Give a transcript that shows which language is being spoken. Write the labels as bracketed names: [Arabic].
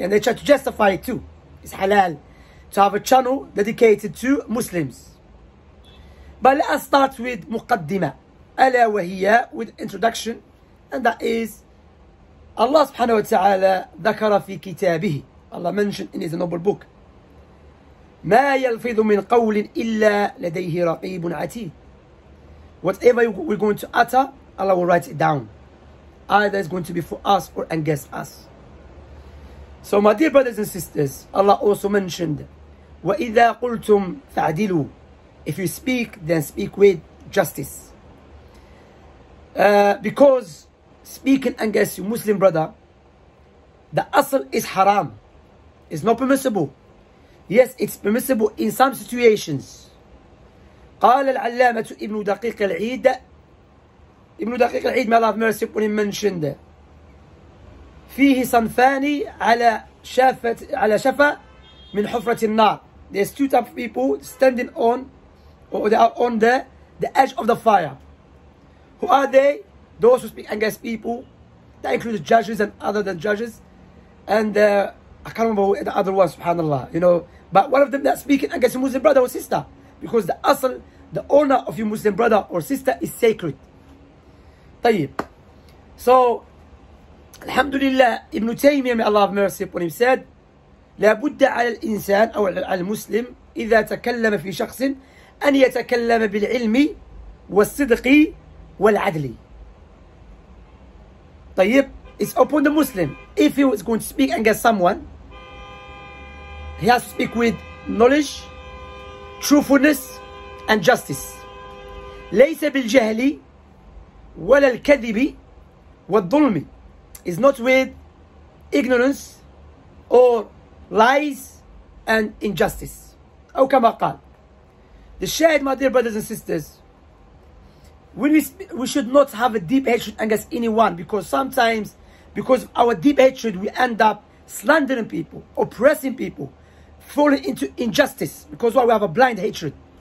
[English] And they try to justify it too. It's halal to have a channel dedicated to Muslims. But let us start with [Arabic] مقدمة ألا وهي [English] with introduction, and that is Allah [Arabic] سبحانه وتعالى ذكر في كتابه. [English] Allah mentioned in his noble book [Arabic] ما يلفظ من قول إلا لديه رقيب عتيد. [English] Whatever we're going to utter, Allah will write it down. Either it's going to be for us or against us. So my dear brothers and sisters, Allah also mentioned [Arabic] وإذا قلتم فعدلوا. [English] If you speak, then speak with justice. Because speaking against your Muslim brother, the asl is haram. It's not permissible. Yes, it's permissible in some situations. [Arabic] قال العلامة ابن دقيق العيد. ابن دقيق العيد, [English] may Allah have mercy upon him, mentioned [Arabic] فيه صنفان على شفة من حفرة النار. [English] There's two types of people standing on, or they are on the edge of the fire. Who are they? Those who speak against people. That includes judges and other than judges. And I can't remember who the other was, subhanAllah. You know, but one of them that's speaking against your Muslim brother or sister. Because the asl, the honor of your Muslim brother or sister is sacred. [Arabic] طيب. [English] So, alhamdulillah, Ibn Taymiyyah, may Allah have mercy upon him, said, [Arabic] لابد على الإنسان أو على المسلم إذا تكلم في شخص أن يتكلم بالعلم والصدق والعدل. [English] طيب, it's upon the Muslim. If he is going to speak against someone, he has to speak with knowledge, truthfulness, and justice. [Arabic] ليس بالجهل ولا الكذب والظلم. [English] It's not with ignorance or lies and injustice. [Arabic] أو كما قال. [English] The shade, my dear brothers and sisters, we should not have a deep hatred against anyone, because sometimes, because of our deep hatred, we end up slandering people, oppressing people, falling into injustice, because why? We have a blind hatred.